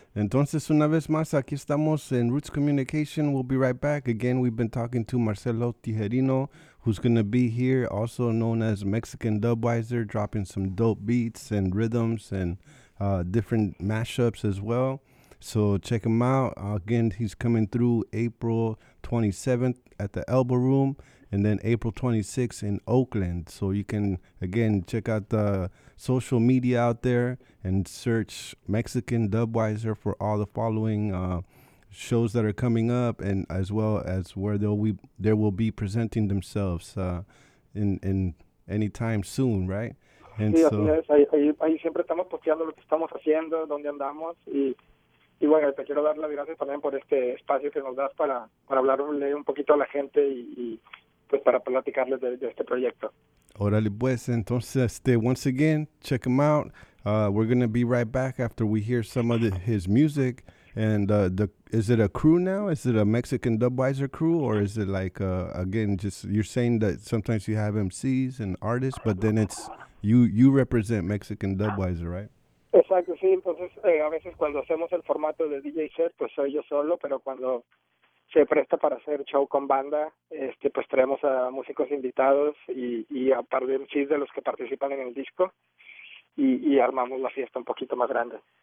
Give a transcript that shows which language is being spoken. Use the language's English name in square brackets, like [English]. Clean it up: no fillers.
[Spanish] Entonces, una vez más, aquí estamos en Roots Communication. [English] We'll be right back. Again, we've been talking to Marcelo Tijerino, who's going to be here, also known as Mexican Dubwiser, dropping some dope beats and rhythms and different mashups as well. So check him out. Again, he's coming through April 27th at the Elbow Room, and then April 26th in Oakland. So you can, again, check out the social media out there and search Mexican Dubwiser for all the following shows that are coming up, and as well as where they will be presenting themselves in anytime soon, right? And [Spanish] Sí, así [English] so [Spanish] es. Ahí siempre estamos posteando lo que estamos haciendo, dónde andamos. Y bueno, te quiero dar las gracias también por este espacio que nos das para hablarle un poquito a la gente y pues para platicarles de este proyecto. [English] Órale, pues, entonces, once again, check him out. We're going to be right back after we hear some of his music. And is it a crew now? Is it a Mexican Dubwiser crew? Or is it like, again, just you're saying that sometimes you have MCs and artists, but then it's you represent Mexican Dubwiser, right? [Spanish] Exacto, sí, entonces a veces cuando hacemos el formato de DJ set, pues soy yo solo, pero cuando se presta para hacer show con banda, pues traemos a músicos invitados y a par de MCs de los que participan en el disco y armamos la fiesta un poquito más grande.